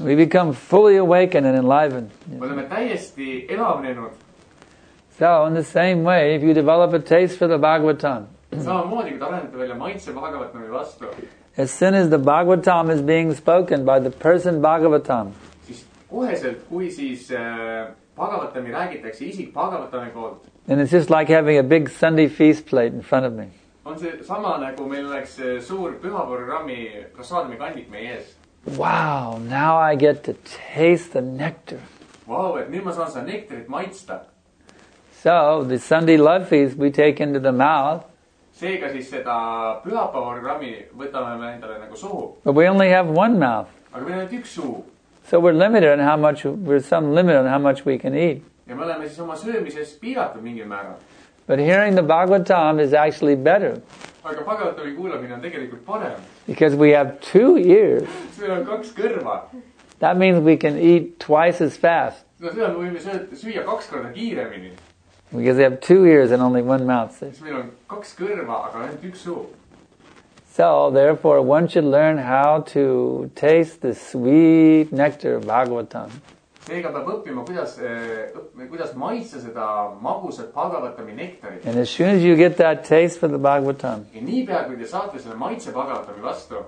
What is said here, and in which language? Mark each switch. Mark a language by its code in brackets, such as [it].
[en] We become fully awakened and enlivened. [et] Me oleme täiesti elavnenud. [en] So, in the same way, if you develop a taste for the Bhagavatam, [et] samamoodi, kui arendate välja maitse Bhagavatami vastu, [en] as soon as the Bhagavatam is being spoken by the person Bhagavatam, [et] siis koheselt, kui siis Bhagavatami räägitakse isik Bhagavatami poolt, [en] then it's just like having a big Sunday feast plate in front of me. [et] On see sama nagu meil oleks suur pühaprogrammi prasaadami kandik meie ees. [en] Wow, now I get to taste the nectar. [et] Wow, et nüüd ma saan seda nektarit maitsta. [en] So, the Sunday love feast we take into the mouth. [et] Seega siis seda pühaprogrammi võtame me endale nagu suhu. [en] But we only have one mouth. [et] Aga meil on üks suhu. [en] So we're limited on how much, we're some limit on how much we can eat. [et] Ja me oleme siis oma söömises piiratud mingil määral. [en] But hearing the Bhagavatam is actually better. [et] Aga Bhagavatami kuulamine on tegelikult parem. [en] Because we have two ears. [et] Meil on kaks kõrva. [en] That means we can eat twice as fast. [et] No, seda me võime süüa kaks korda kiiremini. [en] Because we have two ears and only one mouth. [et] Meil on kaks kõrva, aga ainult üks suu. [en] So, therefore, one should learn how to taste the sweet nectar of Bhagavatam. [et] Seega peab õppima, kuidas maitsa seda magusat Bhagavatami nektarit. [en] And as soon as you get that taste for the Bhagavatam, [et] ja nii pea, kui te saate selle maitse Bhagavatami vastu,